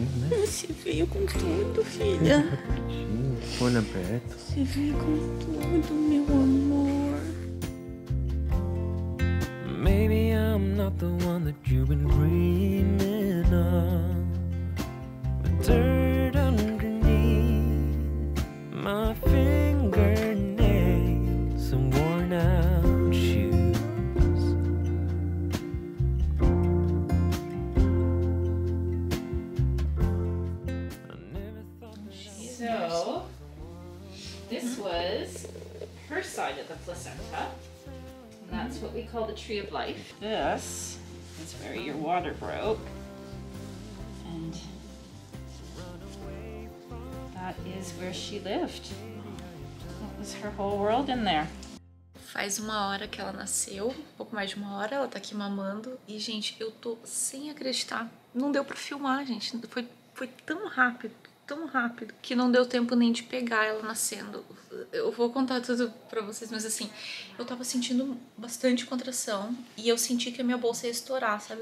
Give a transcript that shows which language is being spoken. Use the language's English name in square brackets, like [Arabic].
[Portuguese] Você veio com tudo, filha. Olho aberto. Você veio com tudo, meu amor. [English] Maybe I'm not the one that you've been dreaming. The dirt underneath my fingernails and worn out shoes. I never thought that. So this was her side of the placenta, and that's what we call the tree of life. This is where your water broke. Is where she lived. That was her whole world in there. [Portuguese] Faz uma hora que ela nasceu, um pouco mais de uma hora, ela tá aqui mamando. E, gente, eu tô sem acreditar. Não deu pra filmar, gente. Foi tão rápido, que não deu tempo nem de pegar ela nascendo. Eu vou contar tudo pra vocês, mas assim, eu tava sentindo bastante contração e eu senti que a minha bolsa ia estourar, sabe?